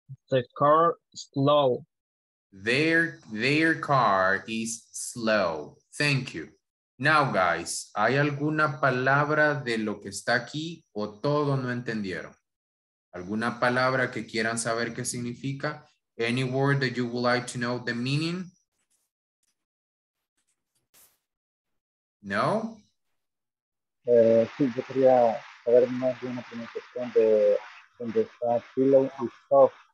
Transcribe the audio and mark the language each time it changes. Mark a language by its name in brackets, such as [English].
[English] The car is slow. Their car is slow. Thank you. Now, guys, [Spanish] ¿hay alguna palabra de lo que está aquí o todo no entendieron? ¿Alguna palabra que quieran saber qué significa? [English] Any word that you would like to know the meaning? No? [Spanish] Sí, yo quería saber más de una pronunciación de donde está pillow y soft.